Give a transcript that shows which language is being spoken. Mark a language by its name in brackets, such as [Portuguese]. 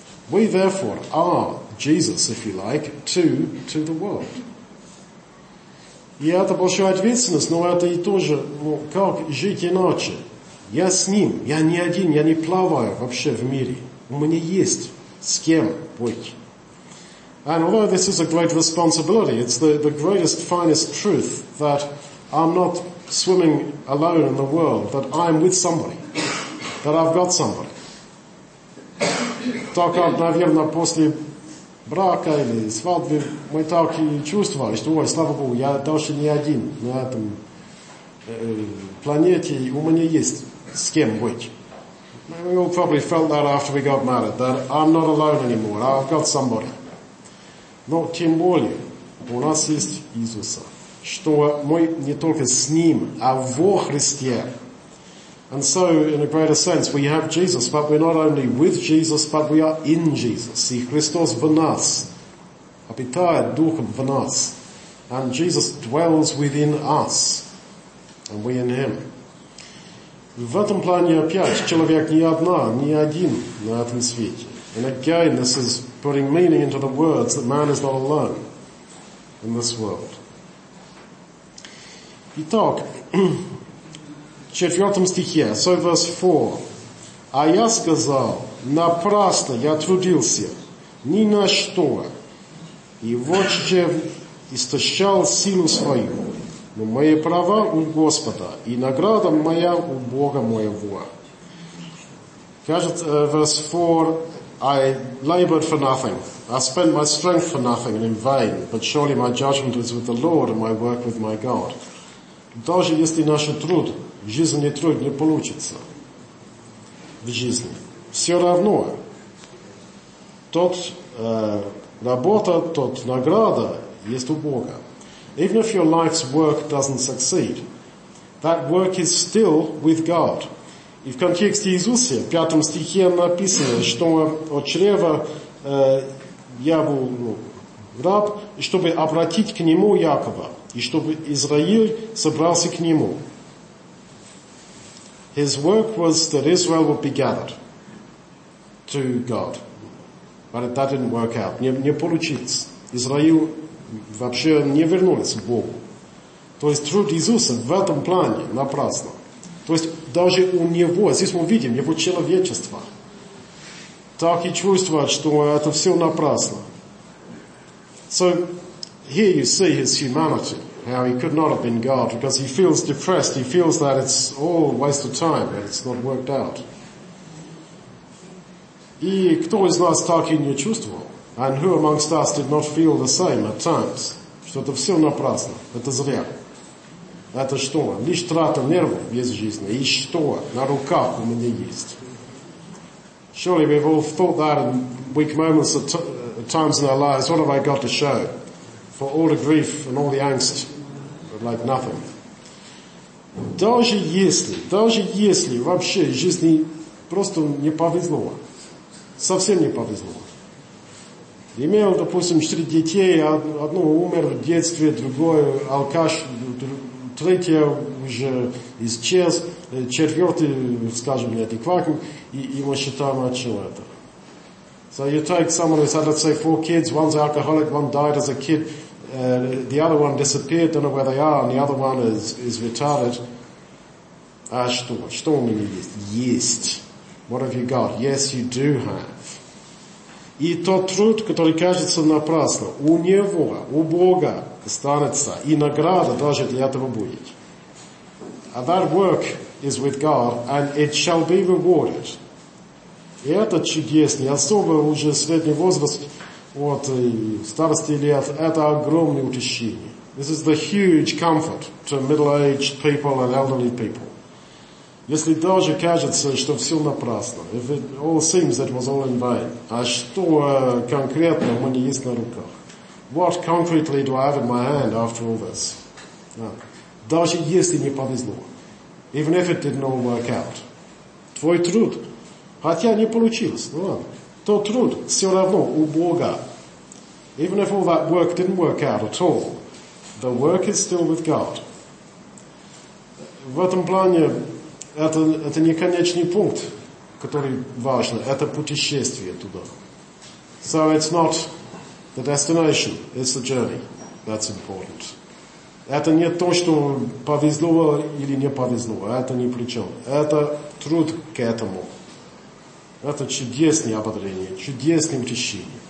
[English] We therefore are Jesus, if you like, to the world. [Russian] И это большая ответственность, но это и тоже, ну, как жить иначе. Я с ним, я не один, я не плаваю вообще в мире. У меня есть с кем быть. [English] And although this is a great responsibility, it's the greatest, finest truth that I'm not swimming alone in the world, that I'm with somebody, that I've got somebody. [Russian] Так, наверное, после брака или свадьбы мы так и чувствовали, что, ой, слава Богу, я даже не один на этом планете, у меня есть с кем быть. [English] We all probably felt that after we got married, that I'm not alone anymore, I've got somebody. [Russian] Но тем более у нас есть Иисуса, что мы не только с Ним, а во Христе. [English] And so, in a greater sense, we have Jesus, but we're not only with Jesus, but we are in Jesus. [Russian] И Христос в нас, обитает Духом в нас. [English] And Jesus dwells within us, and we in Him. [Russian] В этом плане опять человек не одна, не один на этом свете. [English] And again, this is putting meaning into the words that man is not alone in this world. [Russian] Итак, в 4 стихе, [English] so verse 4. [Russian] А я сказал, напрасно я трудился, ни на что, и вот же истощал силу свою. Но мои права у Господа, и награда моя у Бога моего. Кажется, [English] verse 4, I labored for nothing. I spent my strength for nothing and in vain, but surely my judgment is with the Lord and my work with my God. [Russian] Даже если наш труд, жизненный труд, не получится в жизни, все равно тот работа, тот награда есть у Бога. [English] Even if your life's work doesn't succeed, that work is still with God. [Russian] И в контексте Иисуса, в 5 стихе написано, что от чрева я был, ну, раб, чтобы обратить к нему Якова, и чтобы Израиль собрался к нему. [English] His work was that Israel would be gathered to God. But that didn't work out. [Russian] Не получилось. Израиль вообще не вернулись к Богу. То есть труд Иисуса в этом плане напрасно. То есть даже у Него, здесь мы видим Его человечество, так и чувствует, что это все напрасно. [English] So, here you see His humanity, how He could not have been God, because He feels depressed, He feels that it's all a waste of time, that it's not worked out. [Russian] И кто из нас так и не чувствовал? [English] And who amongst us did not feel the same at times? [Russian] Что это все напрасно. Это зря. Это что? Лишь трата нервов без жизни. И что? На руках у меня есть. [English] Surely we've all thought that in weak moments at times in our lives. What have I got to show? For all the grief and all the angst, but like nothing. [Russian] Даже если вообще жизни просто не повезло, совсем не повезло. Имел, допустим, 4 детей, одно умер в детстве, другое алкаш, третье уже исчез, четвертый, скажем, неадекватный, и его считаем человеком. [English] So you take someone who's had, let's say, 4 kids, one's alcoholic, one died as a kid, the other one disappeared, don't know where they are, and the other one is retarded. [Russian] А что? Что у меня есть? Есть. [English] What have you got? Yes, you do have. [Russian] И тот труд, который кажется напрасным, у него, у Бога останется, и награда даже для этого будет. [English] And that work is with God, and it shall be rewarded. [Russian] И это чудесный, особо уже средний возраст, вот, и старости лет, это огромное утешение. [English] This is the huge comfort to middle-aged people and elderly people. [Russian] Если даже кажется, что все напрасно, [English] if it all seems that it was all in vain, [Russian] а что конкретно у меня есть на руках? [English] What concretely do I have in my hand after all this? [Russian] Даже если не повезло, [English] even if it didn't all work out, [Russian] твой труд, хотя не получилось, ну ладно, то труд все равно у Бога. [English] Even if all that work didn't work out at all, the work is still with God. [Russian] В этом плане это не конечный пункт, который важен. Это путешествие туда. [English] So it's not the destination, it's the journey that's important. [Russian] Это не то, что повезло или не повезло. Это ни при чем. Это труд к этому. Это чудесное ободрение, чудесное утешение.